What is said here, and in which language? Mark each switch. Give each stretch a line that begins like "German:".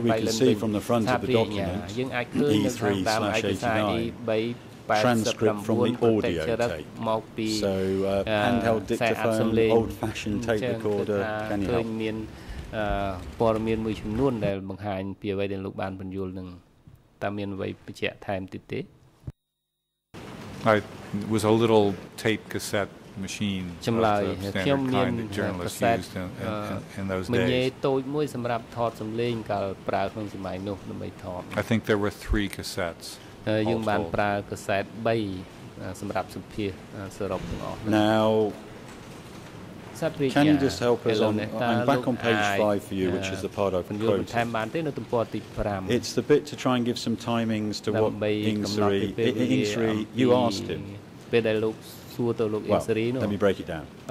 English: We can see from the front of the document, E3/89, transcript from the audio tape. So, handheld dictaphone, old fashioned tape recorder, can you help?
Khmer: ព័ត៌មានមួយចំនួនដែលបង្ហាញពីអ្វីដែលលោកបានបញ្យល់នឹងតើមានអ្វីបញ្ជាក់ថែមទៀតទេ
English: I was a little tape cassette machine
Khmer: ចម្លើយ ខ្ញុំ មាន cassette
English: in those days
Khmer: មានតូចមួយ សម្រាប់ ថត សម្លេង កាល ប្រើ ក្នុង សម័យ នោះ ដើម្បី ថត
English: I think there were 3 cassettes
Khmer: យើង បាន ប្រើ cassette 3 សម្រាប់ សម្ភាស សរុប ទាំងអស់
English: Now Can you just help us on, I'm back on page 5 for you, which is the part I've quoted. It's the bit to try and give some timings to what Ing-Sri, you asked him. Well, let me break it down.